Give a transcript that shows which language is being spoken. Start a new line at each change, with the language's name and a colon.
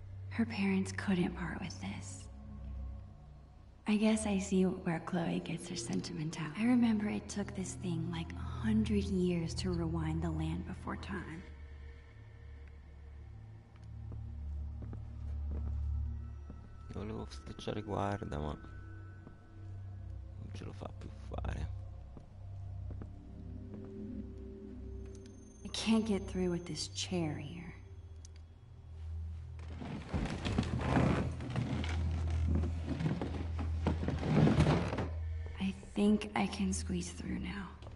English: Her parents couldn't part with this. I guess I see where Chloe gets her sentimentality. I remember it took this thing like 100 years to rewind the land before time.
Italian: Volevo stacciare guarda, ma non ce lo fa più fare.
English: I can't get through with this chair here. I think I can squeeze through now.